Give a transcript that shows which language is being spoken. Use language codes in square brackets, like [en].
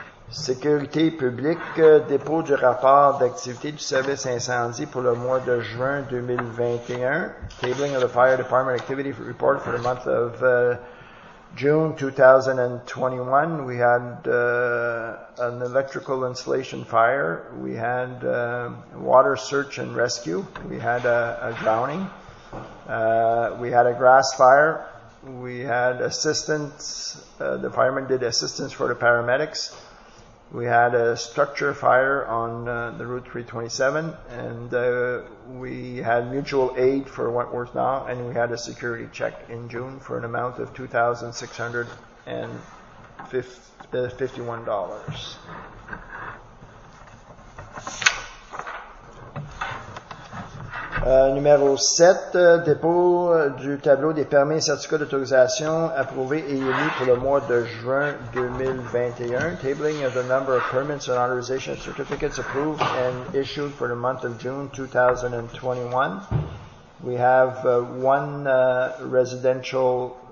[fr] Sécurité publique, dépôt du rapport d'activité du service incendie pour le mois de juin 2021. [en] Tabling of the Fire Department Activity Report for the month of June 2021. We had an electrical insulation fire. We had water search and rescue. We had a drowning. We had a grass fire. We had assistance. The firemen did assistance for the paramedics. We had a structure fire on the Route 327, and we had mutual aid for Wentworth Now, and we had a security check in June for an amount of $2,651. [fr] Numéro 7, dépôt du tableau des permis et certificats d'autorisation approuvés et émis pour le mois de juin 2021. [en] Tabling of the number of permits and authorization certificates approved and issued for the month of June 2021. We have one residential